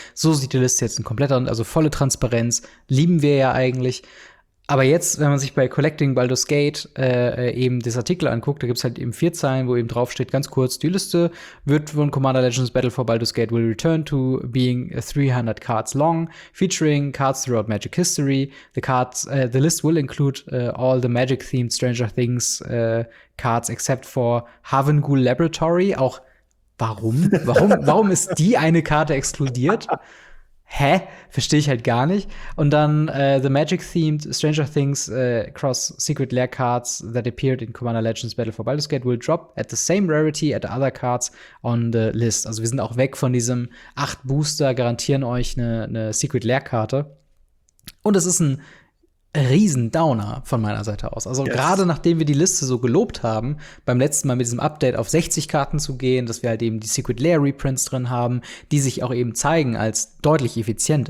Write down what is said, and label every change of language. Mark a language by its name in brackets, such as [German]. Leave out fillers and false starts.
[German] So sieht die Liste jetzt in kompletter, also volle Transparenz. Lieben wir ja eigentlich. Aber jetzt, wenn man sich bei Collecting Baldur's Gate eben das Artikel anguckt, da gibt's halt eben 4 Zeilen, wo eben draufsteht, ganz kurz, die Liste wird von Commander Legends Battle for Baldur's Gate [English] will return to being 300 cards long, featuring cards throughout Magic History. The list will include all the Magic-themed Stranger Things cards except for Havengul Laboratory. [German] Auch, warum? Warum ist die eine Karte exkludiert? Hä? Verstehe ich halt gar nicht. Und dann [English] the Magic-themed Stranger Things cross Secret Lair Cards that appeared in Commander Legends Battle for Baldur's Gate will drop at the same rarity at the other cards on the list. [German] Also wir sind auch weg von diesem 8 Booster, garantieren euch eine Secret Lair Karte. Und es ist ein Riesendowner von meiner Seite aus. Also yes. Gerade nachdem wir die Liste so gelobt haben, beim letzten Mal mit diesem Update auf 60 Karten zu gehen, dass wir halt eben die Secret Lair Reprints drin haben, die sich auch eben zeigen als deutlich effizient.